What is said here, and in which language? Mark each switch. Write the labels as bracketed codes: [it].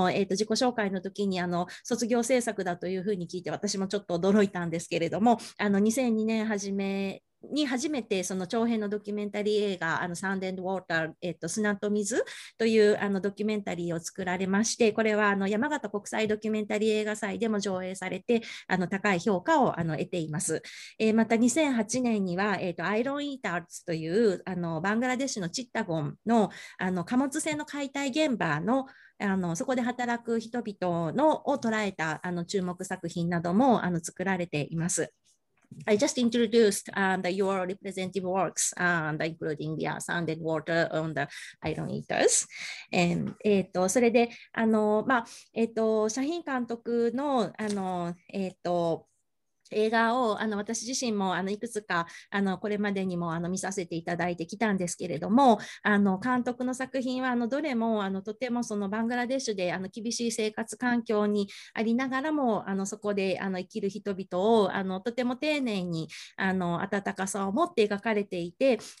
[ja] 自己紹介の時に卒業制作だというふうに聞いて私もちょっと驚いたんですけれども、2002年初めに初めてその長編のドキュメンタリー映画サンデンドウォーター、砂と水というドキュメンタリーを作られまして、これは山形国際ドキュメンタリー映画祭でも上映されて高い評価を得ています。また2008年には、アイロンイーターズというバングラデシュのチッタゴン の, 貨物船の解体現場のそこで働く人々のを捉えた注目作品なども作られています。 [en] I just introduced your representative works, including the Sand and Water on the Iron Eaters. [ja] And, それで、まあ、シャヒン監督の、映画を私自身もいくつかこれまでにも見させていただいてきたんですけれども、監督の作品はどれもとてもそのバングラデシュで厳しい生活環境にありながらもそこで生きる人々をとても丁寧に温かさを持って描かれていて、